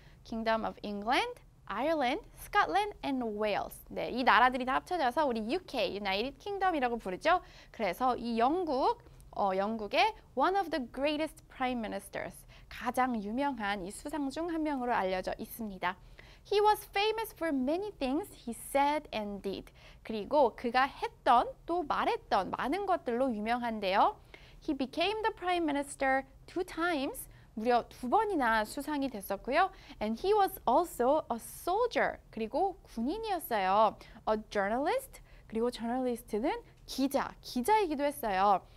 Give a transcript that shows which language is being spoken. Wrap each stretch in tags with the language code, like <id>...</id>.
<en>Kingdom of England, Ireland, Scotland and Wales.</en> <ko>네, 이 나라들이 다 합쳐져서 우리 UK, United Kingdom이라고 부르죠. 그래서 이 영국, 영국의</ko> <en>one of the greatest prime ministers.</en> <ko>가장 유명한 이 수상 중 한 명으로 알려져 있습니다.</ko> <en>He was famous for many things he said and did.</en> <ko>그리고 그가 했던 또 말했던 많은 것들로 유명한데요.</ko> <en>He became the prime minister 2 times,</en> <ko>무려 두 번이나 수상이 됐었고요.</ko> <en>And he was also a soldier,</en> <ko>그리고 군인이었어요. A journalist, 그리고 journalist는 기자, 기자이기도 했어요.</ko>